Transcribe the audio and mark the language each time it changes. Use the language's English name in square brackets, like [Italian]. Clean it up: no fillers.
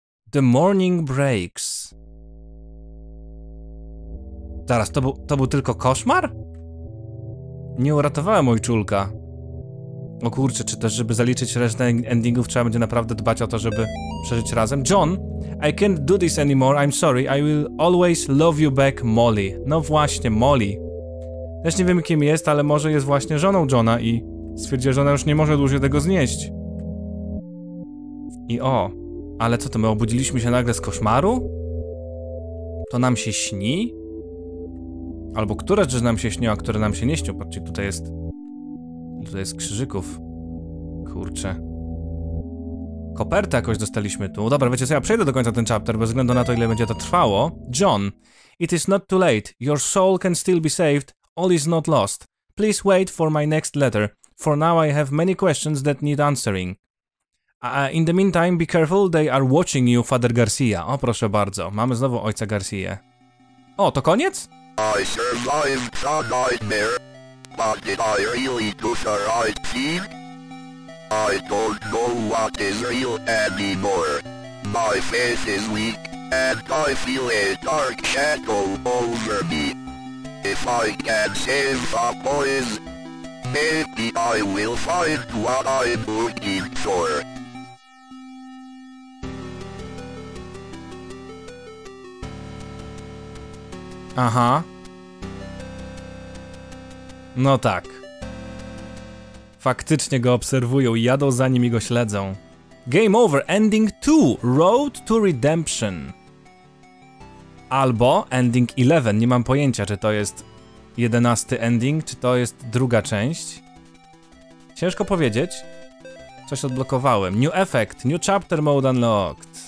[English] The morning breaks. [Polish] Zaraz, to był tylko koszmar? Nie uratowałem ojczulka. O kurczę, czy też żeby zaliczyć resztę endingów, trzeba będzie naprawdę dbać o to, żeby przeżyć razem? [English] John, I can't do this anymore, I'm sorry, I will always love you back, Molly. [Polish] No właśnie, Molly. Też nie wiem, kim jest, ale może jest właśnie żoną Johna i stwierdzi, że ona już nie może dłużej tego znieść. I o, ale co to, my obudziliśmy się nagle z koszmaru? To nam się śni? Albo które rzeczy nam się śniło, a które nam się nie śnią? Patrzcie, tutaj jest krzyżyków. Kurczę. Kopertę jakoś dostaliśmy tu. Dobra, wiecie co, ja przejdę do końca ten chapter, bez względu na to, ile będzie to trwało. [English] John, it is not too late. Your soul can still be saved. All is not lost. Please wait for my next letter. For now I have many questions that need answering. In the meantime, be careful, they are watching you, Father Garcia. [Polish] O, proszę bardzo. Mamy znowu ojca Garcia. O, to koniec? [English] I survived the nightmare, but did I really do the right thing? I don't know what is real anymore. My faith is weak, and I feel a dark shadow over me. If I can save the boys, maybe I will find what I'm looking for. [Polish] Aha. No tak. Faktycznie go obserwują i jadą za nim i go śledzą. [English] Game over, ending 2, Road to Redemption. [Polish] Albo ending 11, nie mam pojęcia, czy to jest 11 ending, czy to jest druga część. Ciężko powiedzieć. Coś odblokowałem. [English] New effect, new chapter mode unlocked.